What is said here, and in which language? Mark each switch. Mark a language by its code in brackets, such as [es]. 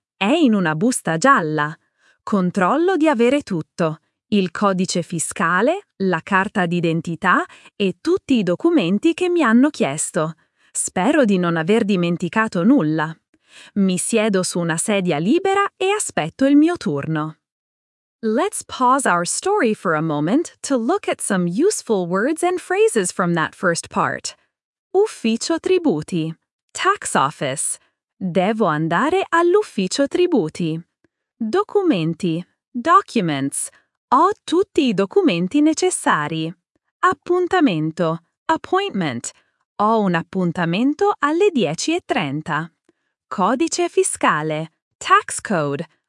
[it] È in una busta gialla. Controllo di avere tutto. Il codice fiscale, la carta d'identità e tutti i documenti che mi hanno chiesto. Spero di non aver dimenticato nulla. Mi siedo su una sedia libera e aspetto il mio turno. [en] Let's pause our story for a moment to look at some useful words and phrases from that first part. [it] Ufficio tributi. [en] Tax office. [it] Devo andare all'ufficio tributi. Documenti. Documents. Ho tutti i documenti necessari. Appuntamento. Appointment. Ho un appuntamento alle 10:30. Codice fiscale. [en] Tax code.